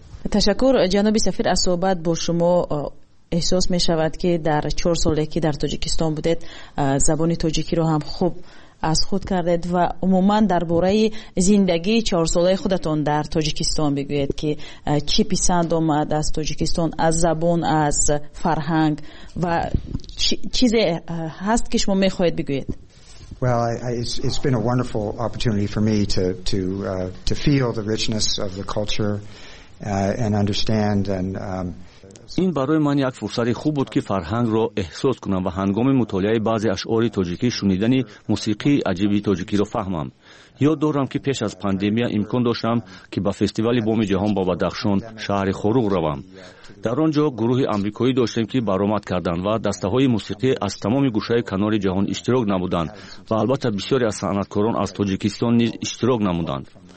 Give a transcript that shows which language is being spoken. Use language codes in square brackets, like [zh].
[fa] تشکر جناب سفیر از صحبت با شما. احساس می شود که در 4 ساله که در تاجیکستان بودید زبان تاجیکی را هم خوب از خود کردید و عموماً درباره زندگی 4 ساله خودتون در تاجیکستان بگوید که چی پسند آمد از تاجیکستان، از زبان، از فرهنگ و چیز هست که شما می خواهید بگوید. [en] Well, it's been a wonderful opportunity for me to feel the richness of the culture and understand and [fa] این برای من یک فرصت خوب بود که فرهنگ را احساس کنم و هنگام مطالعه بعضی اشعار تاجیکی شنیدن موسیقی عجیبی تاجیکی را فهمم. یاد دارم که پیش از پاندمی امکان داشتم که به فستیوال بوم جهان با بدخشان شهر خروق روم. در آنجا گروه آمریکایی داشتیم که برآمد کردند و دسته های موسیقی از تمام گوشه کنار جهان اشتراک نمودند و البته بسیاری از صنعتکاران از تاجیکستان نیز اشتراک نمودند.